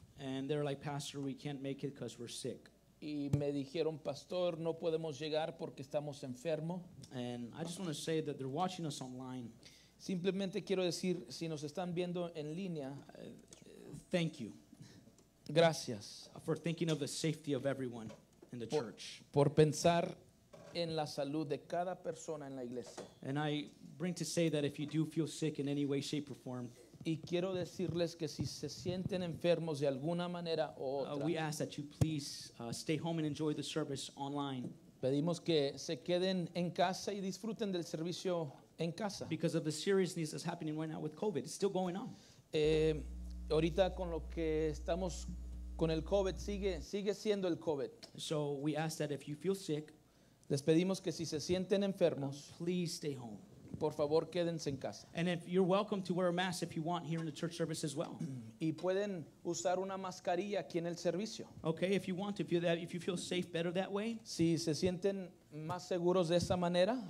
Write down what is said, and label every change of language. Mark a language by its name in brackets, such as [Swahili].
[English] And they're like, Pastor, we can't make it because we're sick. [Spanish] Y me dijeron, Pastor, no podemos llegar porque estamos enfermos. [English] And I just want to say that they're watching us online. [Spanish] Simplemente quiero decir, si nos están viendo en línea, [English] thank you. [Spanish] Gracias. [English] For thinking of the safety of everyone in the church. [Spanish] Por pensar en la salud de cada persona en la iglesia. [English] And I bring to say that if you do feel sick in any way, shape, or form, [Spanish] y quiero decirles que si se sienten enfermos de alguna manera o otra, [English] we ask that you please stay home and enjoy the service online. [Spanish] Pedimos que se queden en casa y disfruten del servicio en casa. [English] Because of the seriousness that's happening right now with COVID, it's still going on. [Spanish] Ahorita con lo que estamos con el COVID, sigue siendo el COVID. [English] So we ask that if you feel sick, [Spanish] les pedimos que si se sienten enfermos, [English] please stay home. [Spanish] Por favor, quédense en casa. [English] And if you're welcome to wear a mask if you want here in the church service as well. [Spanish] Y pueden usar una mascarilla aquí en el servicio. [English] Okay, if you want to feel that, if you feel safe better that way. [Spanish] Si se sienten más seguros de esa manera,